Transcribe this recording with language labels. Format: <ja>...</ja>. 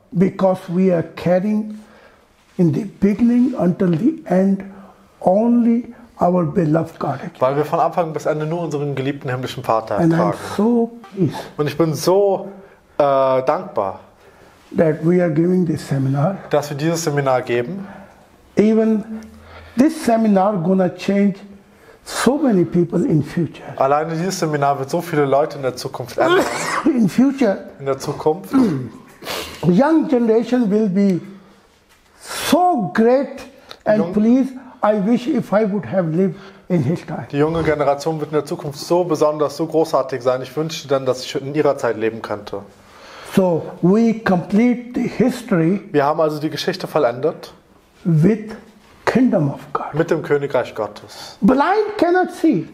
<en>Because we are carrying in the beginning until the end only our beloved God.</en> <de>Weil wir von Anfang bis Ende nur unseren geliebten himmlischen Vater</de> <en>and</en> <de>tragen.</de> <en>So</en> <de>und ich bin so dankbar,</de> <en>that we are giving this seminar,</en> <de>dass wir dieses Seminar geben.</de> <en>Even this seminar gonna change so many people in future.</en> <de>Alleine dieses Seminar wird so viele Leute in der Zukunft ändern.</de> <en>In future.</en> <de>In der Zukunft.</de> <en>Young generation will be so great and please, I wish if I would have lived in his time.</en> <de>Die junge Generation wird in der Zukunft so besonders, so großartig sein. Ich wünschte dann, dass ich in ihrer Zeit leben könnte.</de> <en>So we complete the history.</en> <de>Wir haben also die Geschichte vollendet.</de> <en>With Kingdom of God.</en> <de>Mit dem Königreich Gottes.</de> <en>Blind cannot see.</en>